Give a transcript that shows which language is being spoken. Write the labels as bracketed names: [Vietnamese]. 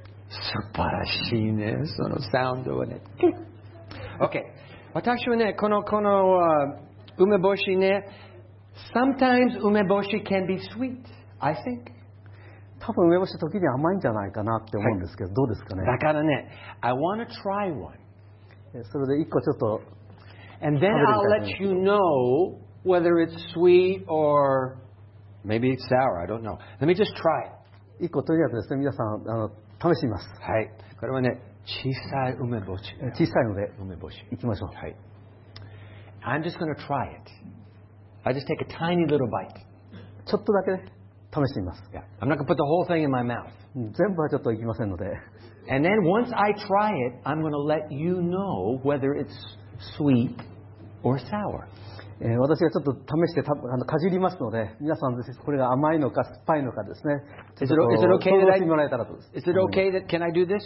[Japanese] 素晴らしいね、そのサウンドはね。 Okay、私はね、この、Umeboshi ne. [English] Sometimes umeboshi can be sweet. I think. [Japanese] 多分梅干し時に甘いんじゃないかなって思うんですけど、はい、どうですかね。だからね、 [English] I want to try one. [Japanese] それで一個ちょっと。 [English] And then I'll let you know whether it's sweet or maybe it's sour. I don't know. Let me just try it. [Japanese] 一個とりあえずですね、皆さん試します。はい。これはね、小さい梅干し。行きましょう。はい。 [English] I'm just going to try it. I just take a tiny little bite. [Japanese] ちょっとだけ試してみます。 [English] Yeah. I'm not going to put the whole thing in my mouth. [Japanese] 全部はちょっといきませんので。 [English] And then once I try it, I'm going to let you know whether it's sweet or sour. [Japanese] 私がちょっと試してかじりますので、皆さんです。これが甘いのか酸っぱいのかですね。 [English] Is it okay that can I do this?